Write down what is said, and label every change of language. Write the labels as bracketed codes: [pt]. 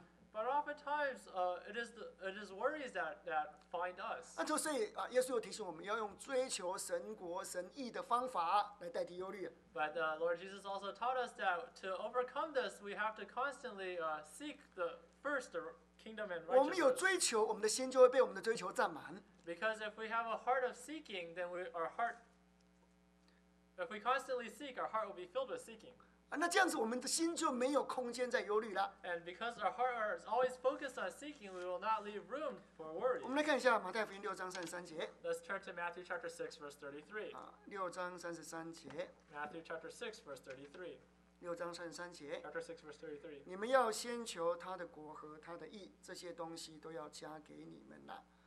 [en] But oftentimes, it is worries that find us. [zh] 那就所以，耶稣又提醒我们要用追求神国神义的方法来代替忧虑。But [en] Lord Jesus also taught us that to overcome this, we have to constantly seek the first kingdom and righteousness. [zh] 我们有追求，我们的心就会被我们的追求占满。 [en] Because if we have a heart of seeking, then if we constantly seek, our heart will be filled with seeking. [zh] 那这样子我们的心就没有空间再忧虑了。And [en] because our heart is always focused on seeking, we will not leave room for worry. [zh] 我们来看一下马太福音6章33节。Let's [en] turn to Matthew chapter 6, verse 33. [zh] 6章33节。Matthew [en] chapter 6, verse 33. [zh] 6章33节。 [en] Chapter 6, verse 33. [zh] 你们要先求他的国和他的义，这些东西都要加给你们了。